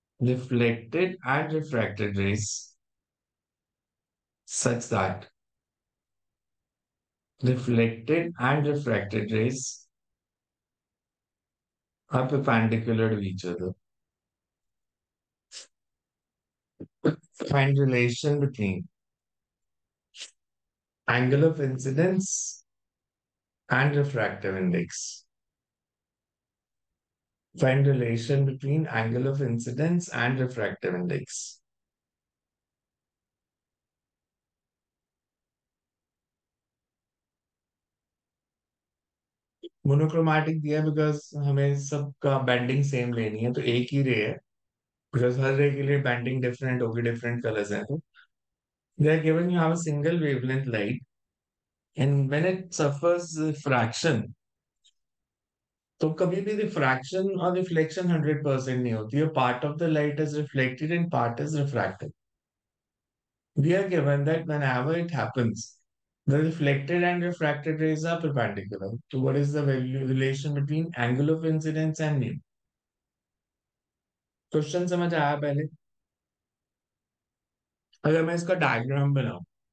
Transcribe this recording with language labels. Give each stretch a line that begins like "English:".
English: reflected and refracted rays such that reflected and refracted rays are perpendicular to each other. Find relation between angle of incidence and refractive index. Find relation between angle of incidence and refractive index. Monochromatic
Hindi: दिया
English: because
Hindi: हमें सबका
English: bending same
Hindi: लेनी है, तो एक ही
English: ray है, because
Hindi: हर
English: ray
Hindi: के लिए
English: bending different
Hindi: होगी,
English: different colors
Hindi: हैं, तो
English: they are given you have a single wavelength light. And when it suffers refraction,
Hindi: तो कभी भी
English: refraction
Hindi: और
English: reflection 100%
Hindi: नहीं होती है,
English: part of the light is reflected and part is refracted. We are given that whenever it happens, the reflected and refracted rays are perpendicular. So what is the relation between angle of incidence and mean?
Hindi: Question समझ आया पहले? अगर मैं इसका diagram बनाऊँ,